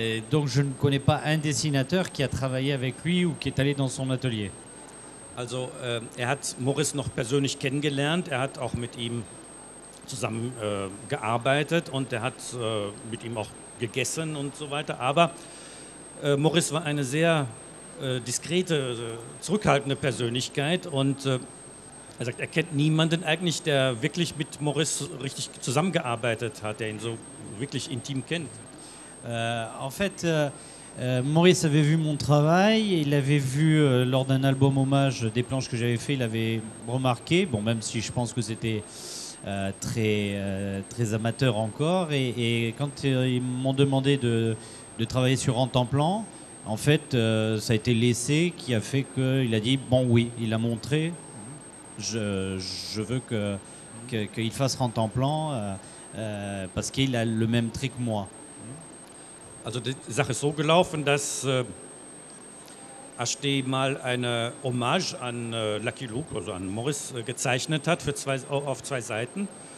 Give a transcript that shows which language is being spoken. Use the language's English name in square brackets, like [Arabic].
[French] Donc je ne connais pas un dessinateur qui a travaillé avec lui ou qui est allé dans son atelier. [German] Also, hat Maurice noch persönlich kennengelernt, hat auch mit ihm zusammen gearbeitet und hat mit ihm auch gegessen und so weiter, aber Maurice war eine sehr diskrete, zurückhaltende Persönlichkeit und er sagt, er kennt niemanden eigentlich, der wirklich mit Maurice richtig zusammengearbeitet hat, der ihn so wirklich intim kennt. [French] En fait, Maurice avait vu mon travail, il avait vu lors d'un album hommage des planches que j'avais fait, il avait remarqué, bon, même si je pense que c'était très, très amateur encore, et quand ils m'ont demandé de travailler sur En Temps Plan, en fait, ça a été l'essai qui a fait qu'il a dit, bon oui, il a montré, je veux qu'il fasse en temps plan, parce qu'il a le même trick que moi. [German] Also die Sache ist so gelaufen, dass HD mal eine Hommage an Lucky Luke, also an Maurice, gezeichnet hat auf zwei Seiten.